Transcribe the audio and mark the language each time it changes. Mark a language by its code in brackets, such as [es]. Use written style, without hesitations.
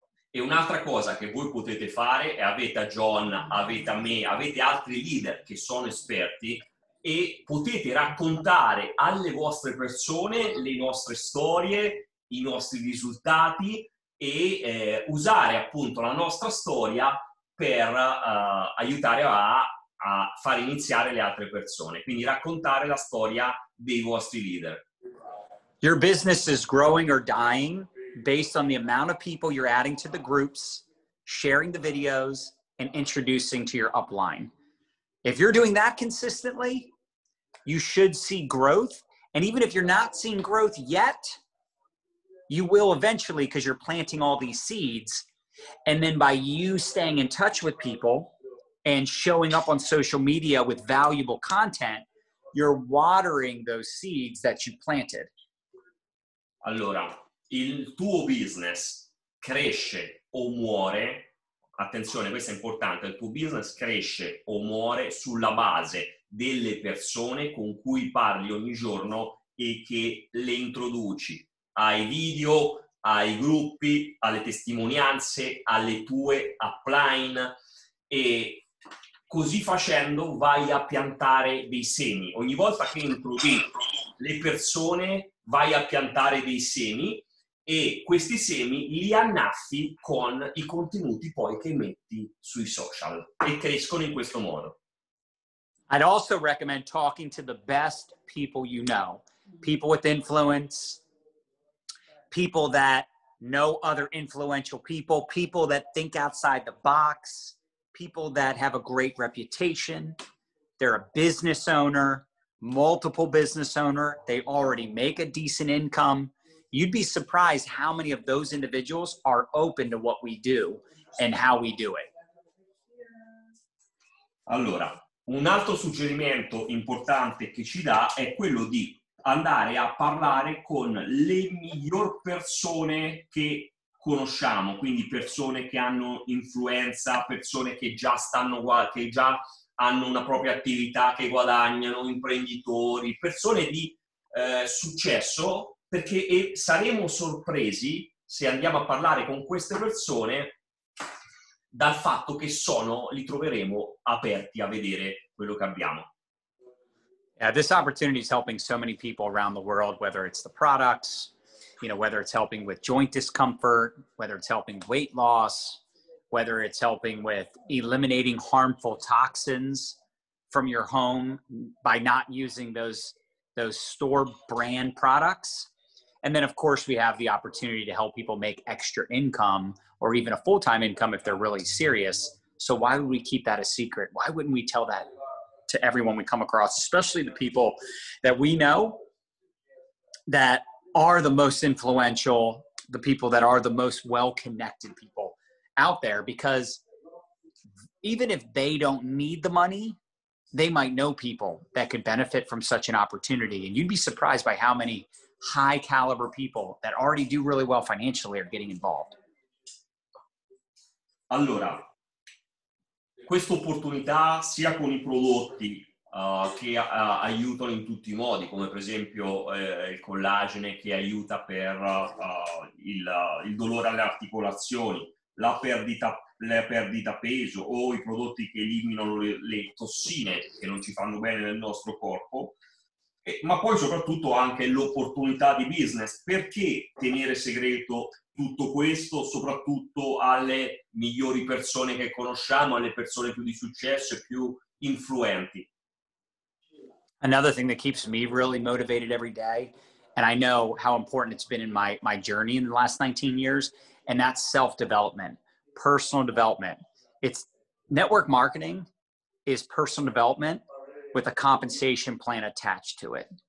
[it] E un'altra cosa che voi potete fare, e avete a John, avete a me, avete altri leader che sono esperti, e potete raccontare alle vostre persone le nostre storie, i nostri risultati, e usare appunto la nostra storia per aiutare a far iniziare le altre persone. Quindi raccontare la storia dei vostri leader. [en] Your business is growing or dying based on the amount of people you're adding to the groups, sharing the videos, and introducing to your upline. If you're doing that consistently, you should see growth. And even if you're not seeing growth yet, you will eventually, because you're planting all these seeds. And then by you staying in touch with people and showing up on social media with valuable content, you're watering those seeds that you planted. [it] Allora, il tuo business cresce o muore, attenzione, questo è importante, il tuo business cresce o muore sulla base delle persone con cui parli ogni giorno e che le introduci ai video, ai gruppi, alle testimonianze, alle tue upline, e così facendo vai a piantare dei semi. Ogni volta che introduci le persone vai a piantare dei semi, e questi semi li annaffi con i contenuti poi che metti sui social, e crescono in questo modo. [en] I'd also recommend talking to the best people you know. People with influence, people that know other influential people, people that think outside the box, people that have a great reputation. They're a business owner, multiple business owner. They already make a decent income. You'd be surprised how many of those individuals are open to what we do and how we do it. [it] Allora, un altro suggerimento importante che ci dà è quello di andare a parlare con le miglior persone che conosciamo, quindi persone che hanno influenza, persone che già stanno, che già hanno una propria attività, che guadagnano, imprenditori, persone di successo, perché e saremo sorpresi se andiamo a parlare con queste persone dal fatto che sono, li troveremo aperti a vedere quello che abbiamo. [en] Yeah, this opportunity is helping so many people around the world, whether it's the products, you know, whether it's helping with joint discomfort, whether it's helping weight loss, whether it's helping with eliminating harmful toxins from your home by not using those store brand products. And then, of course, we have the opportunity to help people make extra income or even a full-time income if they're really serious. So why would we keep that a secret? Why wouldn't we tell that to everyone we come across, especially the people that we know that are the most influential, the people that are the most well-connected people out there? Because even if they don't need the money, they might know people that could benefit from such an opportunity. And you'd be surprised by how many high caliber people that already do really well financially are getting involved. [it] Allora, questa opportunità sia con i prodotti che aiutano in tutti i modi, come per esempio il collagene che aiuta per il dolore alle articolazioni, la perdita peso, o i prodotti che eliminano le tossine che non ci fanno bene nel nostro corpo. Ma poi soprattutto anche l'opportunità di business. Perché tenere segreto tutto questo, soprattutto alle migliori persone che conosciamo, alle persone più di successo e più influenti? [en] Another thing that keeps me really motivated every day, and I know how important it's been in my journey in the last 19 years, and that's self-development, personal development. It's network marketing is personal development with a compensation plan attached to it.